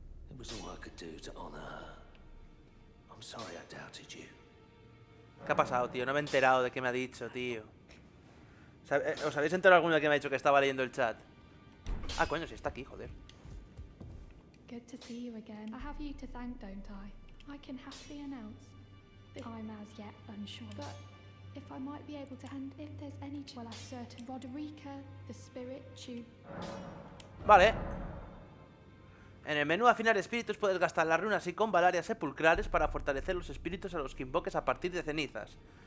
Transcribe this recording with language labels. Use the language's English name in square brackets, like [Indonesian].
[English] It was all I could do to honor her. I'm sorry I doubted you. [Spanish] ¿Qué ha pasado, tío? No me he enterado de qué me ha dicho, tío. ¿Os habéis enterado alguno de que me ha dicho que estaba leyendo el chat? Ah, coño, sí, está aquí, joder. [English] Good to see you again. I have you to thank, don't I? I can happily announce that I'm as yet unsure. But if I might be able to, and if there's any chance, well, I'm certain Roderica, the spirit tune. [Spanish] Vale. En el menú Afinar Espíritus puedes gastar las runas y combalarias sepulcrales para fortalecer los espíritus a los que invoques a partir de cenizas.